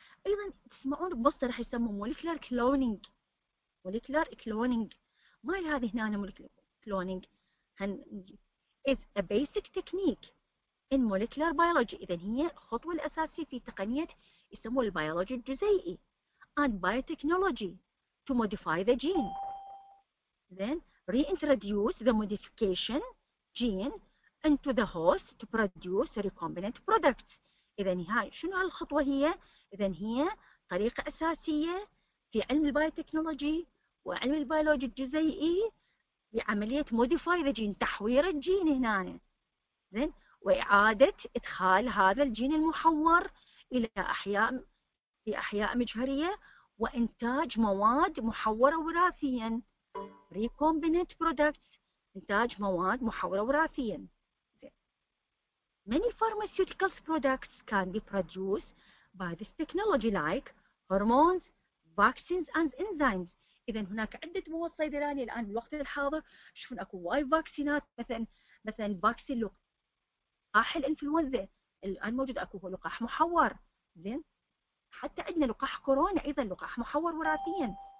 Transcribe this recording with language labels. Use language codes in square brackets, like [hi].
[ar] أيضا تسمعون بمصطلح راح يسموه موليكولار كلونينج. موليكولار كلونينج ما هي هذه هنا؟ موليكولار كلونينج [en] is a basic technique in molecular biology. [ar] إذا هي الخطوة الأساسية في تقنية يسموه البيولوجي الجزيئي [en] and biotechnology to modify the gene. Then reintroduce the modification gene into the host to produce recombinant products. [ar] إذا هاي شنو هالخطوة هي؟ إذا هي طريقة أساسية في علم البيوتكنولوجي وعلم البيولوجي الجزيئي بعملية [en] modify the gene، [ar] تحوير الجين هنا. زين، وإعادة إدخال هذا الجين المحور إلى أحياء في أحياء مجهرية وإنتاج مواد محورة وراثياً. Recombinant products إنتاج مواد محورة وراثيا. [en] Many pharmaceutical products can be produced by this technology like hormones, vaccines and enzymes. [ar] إذن هناك عدة مواد صيدلانية الآن بالوقت الحاضر شوفون أكو واي فاكسينات، مثلا فاكسين لقاح الإنفلونزا الآن موجود أكو لقاح محور. زين، حتى عندنا لقاح كورونا أيضا لقاح محور وراثيا.